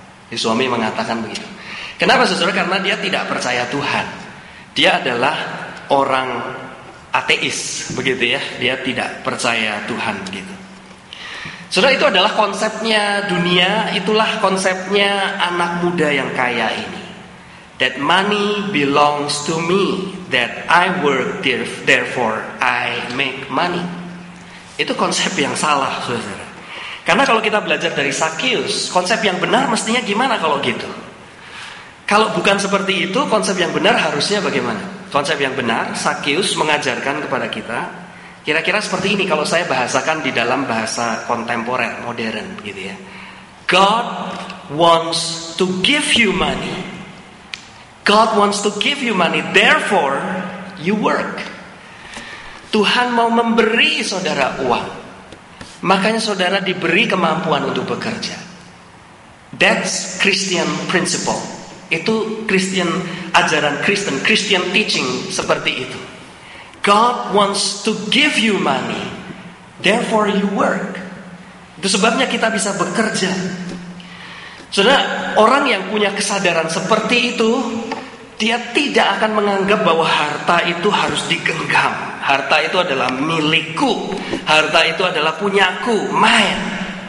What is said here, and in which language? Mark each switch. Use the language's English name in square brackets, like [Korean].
[Indonesian] Si suami mengatakan begitu. Kenapa saudara? Karena dia tidak percaya Tuhan. Dia adalah orang ateis, begitu ya. Dia tidak percaya Tuhan, gitu. Saudara, itu adalah konsepnya dunia, itulah konsepnya anak muda yang kaya ini. [English] That money belongs to me, that I work, therefore I make money. [Indonesian] Itu konsep yang salah, saudara. Karena kalau kita belajar dari Zakheus, konsep yang benar mestinya gimana kalau gitu? Kalau bukan seperti itu, konsep yang benar harusnya bagaimana? Konsep yang benar, Zakheus mengajarkan kepada kita, kira-kira seperti ini kalau saya bahasakan di dalam bahasa kontemporer, modern, gitu ya. [English] God wants to give you money. God wants to give you money, therefore you work. [Indonesian] Tuhan mau memberi saudara uang, makanya saudara diberi kemampuan untuk bekerja. [English] That's Christian principle. Itu Christian [Indonesian] ajaran Kristen, [English] Christian teaching [Indonesian] seperti itu. [English] God wants to give you money, therefore you work. [Indonesian] Itu sebabnya kita bisa bekerja. Saudara, orang yang punya kesadaran seperti itu, dia tidak akan menganggap bahwa harta itu harus digenggam. Harta itu adalah milikku. Harta itu adalah punyaku, mine.